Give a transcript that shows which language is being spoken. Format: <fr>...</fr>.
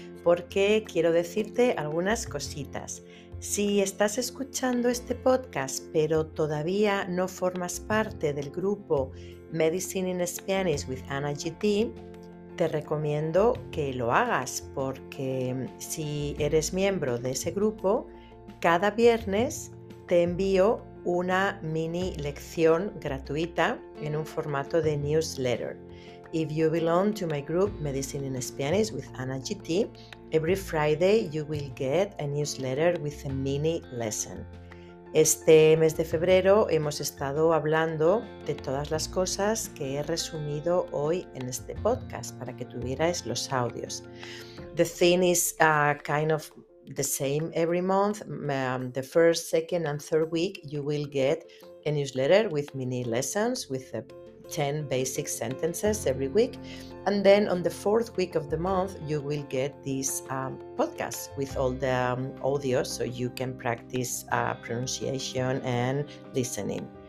<es>Porque quiero decirte algunas cositas. Si estás escuchando este podcast, pero todavía no formas parte del grupo Medicine in Spanish with Ana GT, te recomiendo que lo hagas, porque si eres miembro de ese grupo, cada viernes te envío una mini lección gratuita en un formato de newsletter.</es> <en>If you belong to my group Medicine in Spanish with Ana GT, every Friday you will get a newsletter with a mini lesson.</en> <es>Este mes de febrero hemos estado hablando de todas las cosas que he resumido hoy en este podcast para que tuvierais los audios.</es> <en>The theme is kind of the same every month. The first, second and third week you will get a newsletter with mini lessons with a 10 basic sentences every week. And then on the fourth week of the month, you will get this podcast with all the audio so you can practice pronunciation and listening.</en>